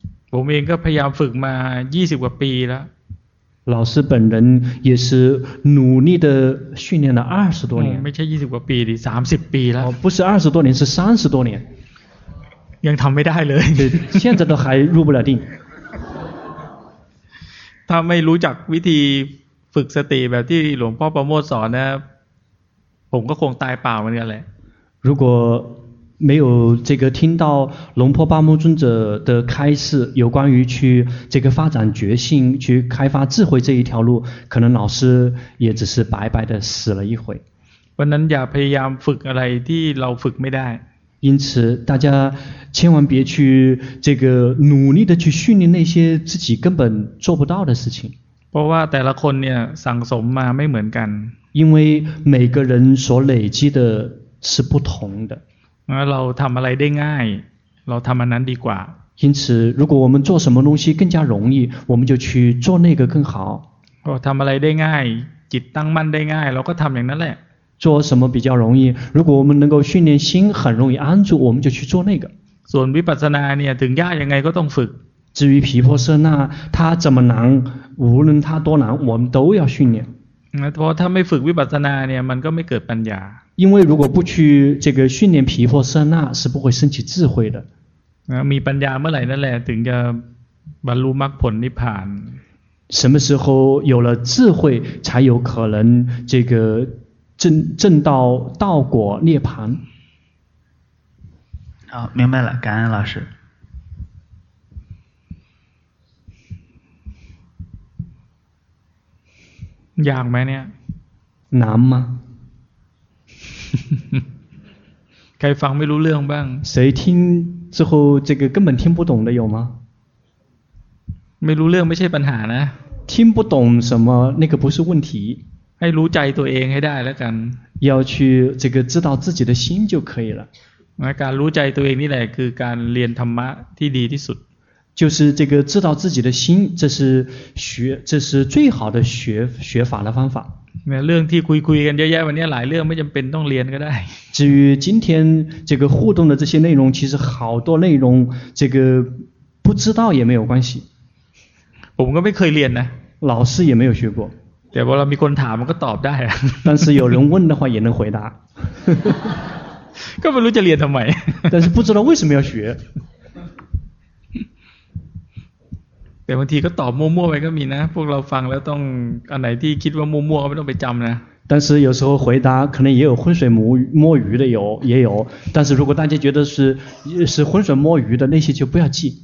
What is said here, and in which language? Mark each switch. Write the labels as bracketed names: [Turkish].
[Chinese] 我们应该培养 [Thai] ฝึกมา20กว่าปีแล้ว [Chinese] 老师本人也是努力的训练了20多年 [Thai] ไม่ใช่20กว่าปีดิ30ปีแล้ว [Chinese] 不是20多年是30多年 [Thai] ยังทำไม่ได้เลย [Chinese] 现在都还入不了定 [Thai] ถ้าไม่รู้จักวิธีฝึกสติแบบที่หลวงพ่อประโมทสอนนะผมก็คงตายเปล่าเหมือนกันแหละ [Chinese] 如果没有这个听到龙婆巴木尊者的开示有关于去这个发展觉性去开发智慧这一条路可能老师也只是白白的死了一回 [Thai] วันนั้นอย่าพยายามฝึกอะไรที่เราฝึกไม่ได้ [Chinese] 因此大家千万别去这个努力的去训练那些自己根本做不到的事情 [Thai] เพราะว่าแต่ละคนเนี่ยสั่งสมมาไม่เหมือนกัน [Chinese] 因为每个人所累积的是不同的 [Thai] เราทำอะไรได้ง่ายเราทำอันนั้นดีกว่า [Chinese] 因此如果我们做什么东西更加容易我们就去做那个更好 [Thai] เราทำอะไรได้ง่ายจิตตั้งมั่นได้ง่ายเราก็ทำอย่างนั้นแหละ [Chinese] 做什么比较容易如果我们能够训练心很容易安住我们就去做那个 [Thai] ส่วนวิปัสสนาเนี่ยถึงยากยังไงก็ต้องฝึก [Chinese] 至于毗婆舍那它怎么难无论它多难我们都要训练 [Thai] เพราะถ้าไม่ฝึกวิปัสสนาเนี่ยมันก็ไม่เกิดปัญญา [Chinese] 因为如果不去这个训练毗婆舍那是不会升起智慧的 [Thai] มีปัญญาเมื่อไหร่นั่นแหละถึงจะบรรลุมรรคผลนิพพาน [Chinese] 什么时候有了智慧才有可能这个证到道果涅槃。好，明白了，感恩老师。 [Thai] อยากไหมเนี่ย น้ำมั้ย ใครฟังไม่รู้เรื่องบ้าง [Chinese] 谁听之后这个根本听不懂的有吗 [Thai] ไม่รู้เรื่องไม่ใช่ปัญหานะ [Chinese] 听不懂什么那个不是问题 [Thai] ให้รู้ใจตัวเองให้ได้แล้วกัน [Chinese] 要去这个知道自己的心就可以了 [Thai] การรู้ใจตัวเองนี่แหละคือการเรียนธรรมะที่ดีที่สุด [Chinese] 就是这个知道自己的心，这是最好的学法的方法。 [Thai] 那เรื่องที่คุยกันเยอะๆวันนี้หลายเรื่องไม่จำเป็นต้องเรียนก็ได้。 [Chinese] 至于今天这个互动的这些内容，其实好多内容这个不知道也没有关系。 [Thai] ผมก็ไม่เคยเรียนนะ。 [Chinese] 老师也没有学过。 [Thai] แต่พอเรามีคนถามมันก็ตอบได้。 [Chinese] 但是有人问的话也能回答。 [Thai] ก็ไม่รู้จะเรียนทำไม。 [Chinese] 但是不知道为什么要学。 [Thai] แต่บางทีก็ตอบมั่วๆไปก็มีนะพวกเราฟังแล้วต้องอันไหนที่คิดว่ามั่วๆก็ไม่ต้องไปจำนะ [Chinese] 但是有时候回答可能也有浑水摸鱼的有也有但是如果大家觉得是浑水摸鱼的那些就不要记